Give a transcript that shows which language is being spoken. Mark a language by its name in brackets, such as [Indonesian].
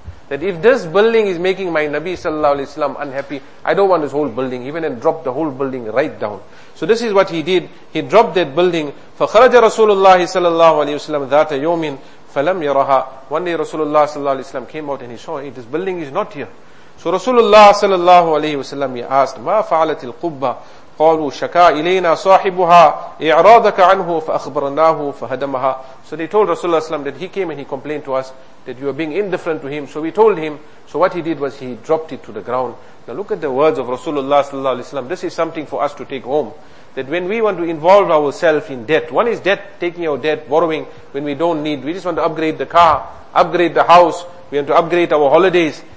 [English] That if this building is making my Nabi sallallahu alayhi wa sallam unhappy, I don't want this whole building. He went and dropped the whole building right down. So this is what he did. He dropped that building. [Arabic] فَخَرَجَ رَسُولُ اللَّهِ صَلَى اللَّهُ عَلَيْهِ وَسَلَّمْ ذَاتَ يَوْمٍ فَلَمْ يَرَهَا. [English] One day Rasulullah sallallahu alayhi wa sallam came out and he saw, hey, this building is not here. So Rasulullah sallallahu alayhi wa sallam, he asked, [Arabic] مَا فَعَلَتِ الْقُبَّةِ قَالُوا شَكَى إِلَيْنَا صَاحِبُهَا إِعْرَاضَكَ عَنْهُ فَأَخْبَرْنَاهُ فَهَدَمَهَا. [English] So they told Rasulullah sallallahu alayhi wa sallam that he came and he complained to us that you are being indifferent to him. So we told him, so what he did was he dropped it to the ground. Now look at the words of Rasulullah sallallahu alayhi wa sallam. This is something for us to take home. That when we want to involve ourselves in debt, one is debt, taking our debt, borrowing, when we don't need, we just want to upgrade the car, upgrade the house, we want to upgrade our holidays.